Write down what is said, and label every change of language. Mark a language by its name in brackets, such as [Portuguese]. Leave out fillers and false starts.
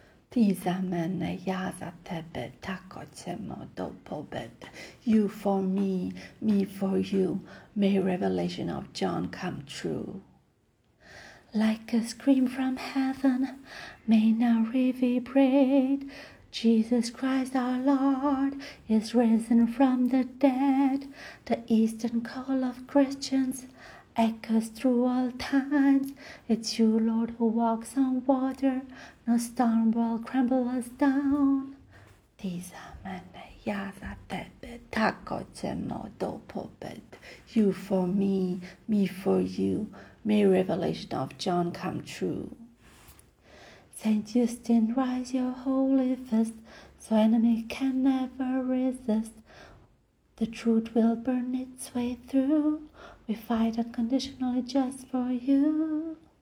[Serbian] Ti zamene ja za tebe, tako ćemo do pobede. [English] You for me, me for you. May revelation of John come true. Like a scream from heaven, may now reverberate. Jesus Christ our Lord is risen from the dead. The Eastern call of Christians echoes through all times. It's you, Lord, who walks on water. No storm will crumble us down. [Serbian] Ti za mene, ja za tebe, tako ćemo do pobed. [English] You for me, me for you. May revelation of John come true. Saint Justin, rise your holy fist, so enemy can never resist. The truth will burn its way through. We fight unconditionally just for you.